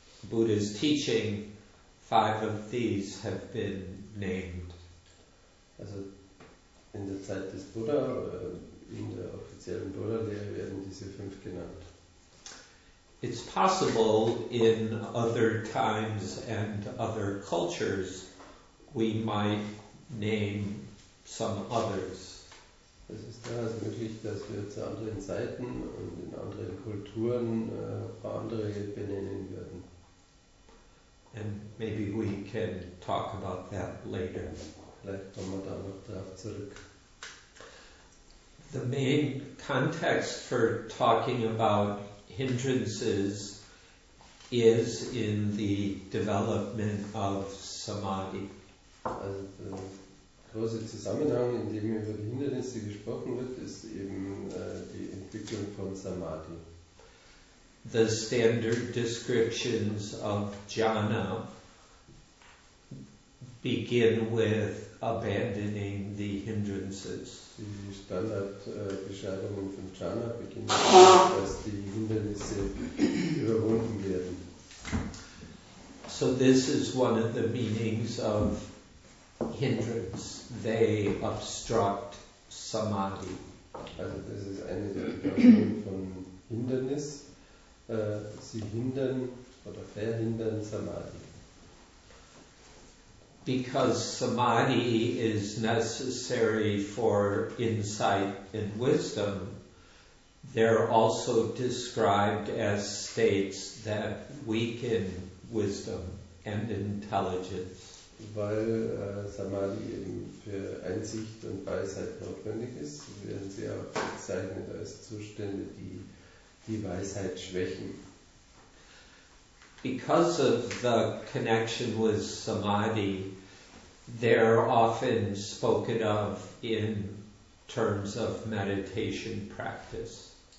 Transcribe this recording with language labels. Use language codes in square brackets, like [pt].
[en] Buddha's teaching, five of these have been named. [de] Also in der Zeit des Buddha, in der offiziellen Buddha-Lehre werden diese fünf genannt. [en] It's possible in other times and other cultures we might name some others. [de] Es ist durchaus möglich, dass wir zu anderen Zeiten und in anderen Kulturen andere benennen würden. [en] And maybe we can talk about that later. [de] Vielleicht kommen wir da noch darauf zurück. [en] The main context for talking about hindrances is in the development of samadhi. [de] Also der große Zusammenhang, in dem über die Hindernisse gesprochen wird, ist eben die Entwicklung von Samadhi. [en] The standard descriptions of jhana begin with abandoning the hindrances. [de] Die Standardbeschreibungen von jhana beginnen damit, dass die Hindernisse überwunden werden. [en] So this is one of the meanings of hindrance. They obstruct samadhi. [de] Also das ist eine der Bedeutungen von Hindernis. Sie hindern oder verhindern samadhi. [en] Because samadhi is necessary for insight and wisdom, they're also described as states that weaken wisdom and intelligence. [de] Weil Samadhi eben für Einsicht und Weisheit notwendig ist, werden sie auch bezeichnet als Zustände, die die Weisheit schwächen. [en] Because of the connection with samadhi, they're often spoken of in terms of meditation practice.